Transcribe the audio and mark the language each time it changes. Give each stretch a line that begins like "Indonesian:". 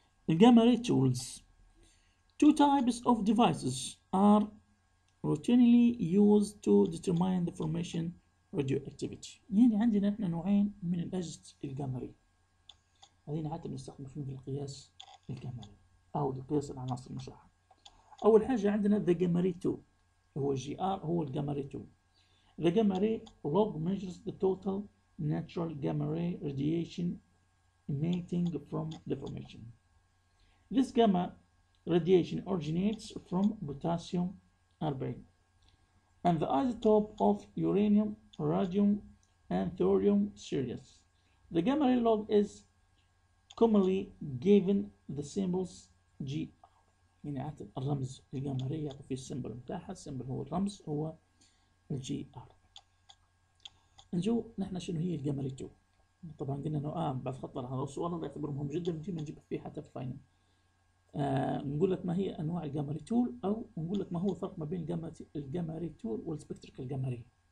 English: الجاما ray tools. Two types of devices are routinely used to determine the formation radioactivity.
Arabic: يعني عندنا احنا نوعين من الأجهزة الجاما ري. هذين عادة بنستخدم فيهم في القياس الجاما ري أو لقياس العناصر المشعة. أول حاجة عندنا
English: the gamma ray tool.
Arabic: هو جي آر هو الجاما ري تول.
English: The gamma ray log measures the total natural gamma ray radiation emitting from the formation. This gamma radiation originates from potassium 40 and the isotope of uranium, radium, and thorium series. The gamma ray log is commonly given the symbols G.
Arabic: يعني عاد الرمز الجاما ري يعطي فيه السيمبل بتاعها، السيمبل هو الرمز هو الجي ار. نجو نحن شنو هي الجاما ري 2؟ طبعا قلنا انه بعد خطر هذا السؤال الله يعتبر مهم جدا، ممكن نجيب فيه حتى في فاينل. نقول لك ما هي انواع الجاما ري تول، او نقول لك ما هو الفرق ما بين الجاما ري تول والسبكتركال جاما ري.